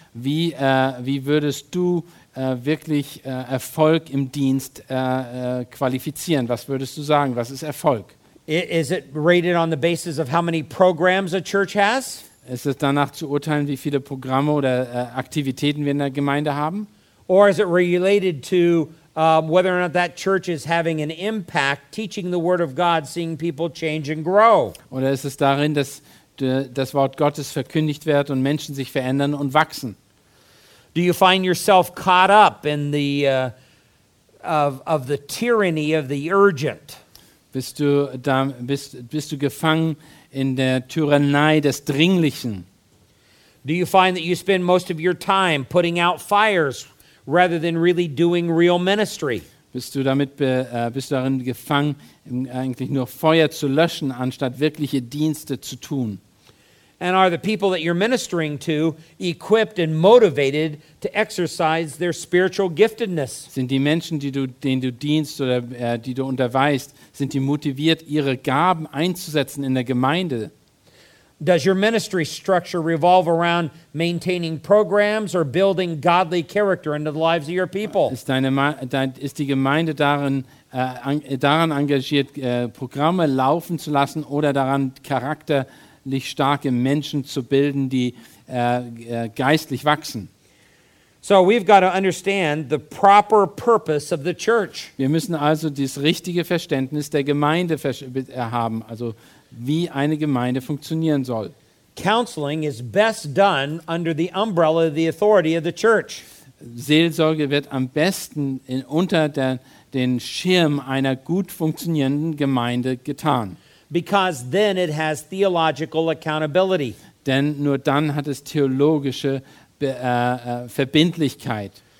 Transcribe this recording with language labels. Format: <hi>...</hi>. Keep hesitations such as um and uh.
<de>Wie, uh, wie würdest du uh, wirklich uh, Erfolg im Dienst qualifizieren? Was würdest du sagen? Was ist Erfolg?</de> <en>It, is it rated on the basis of how many programs a church has?</en> <de>Ist es danach zu urteilen, wie viele Programme oder Aktivitäten wir in der Gemeinde haben?</de> <en>Or is it related to Um, whether or not that church is having an impact, teaching the word of God, seeing people change and grow.</en> <de>Oder ist es darin, dass de, das Wort Gottes verkündigt wird und Menschen sich verändern und wachsen?</de> <en>Do you find yourself caught up in the uh, of of the tyranny of the urgent?</en> <de>Bist du da, bist bist du gefangen in der Tyrannei des Dringlichen?</de> <en>Do you find that you spend most of your time putting out fires? rather than really doing real ministry.</en> <de>Bist du damit äh, bist du darin gefangen eigentlich nur Feuer zu löschen anstatt wirkliche Dienste zu tun?</de> <en>And are the people that you're ministering to equipped and motivated to exercise their spiritual giftedness?</en> <de>Sind die Menschen, die du den du dienst oder äh, die du unterweist, sind die motiviert ihre Gaben einzusetzen in der Gemeinde?</de> <en>Does your ministry structure revolve around maintaining programs or building godly character into the lives of your people? Is, your, is the</en> <de>Gemeinde darin daran engagiert äh, Programme laufen zu lassen oder daran charakterlich starke Menschen zu bilden, die äh, geistlich wachsen?</de> <en>So we've got to understand the proper purpose of the church.</en> <de>Wir müssen also das richtige Verständnis der Gemeinde haben, also wie eine Gemeinde funktionieren soll.</de> <en>Counseling is best done under the umbrella of the authority of the church.</en> <de>Seelsorge wird am besten unter der, den Schirm einer gut funktionierenden Gemeinde getan.</de> <en>Because then it has theological accountability.</en> <de>Denn nur dann hat es theologische Be, äh, Verbindlichkeit.</de>